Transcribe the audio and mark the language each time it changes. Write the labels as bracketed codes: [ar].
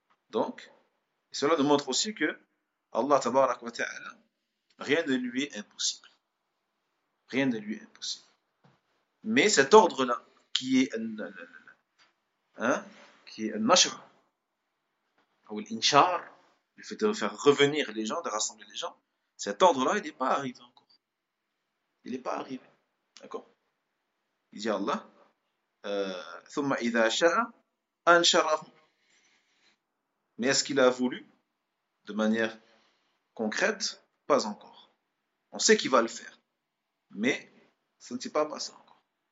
[fr] Donc, cela nous montre aussi que Allah tabarak wa ta'ala, rien ne lui est impossible. Rien ne lui est impossible. Mais cet ordre-là, qui est al-nashr, ou l'inchar, le fait de faire revenir les gens, de rassembler les gens, cet ordre-là, il n'est pas arrivé encore. Il n'est pas arrivé. D'accord? [ar] Il dit Allah, ثُمَّ إِذَا شَاءَ أَنْشَرَهُ. [fr] Mais est-ce qu'il a voulu, de manière concrète? Pas encore. On sait qu'il va le faire. Mais ça ne s'est pas passé encore.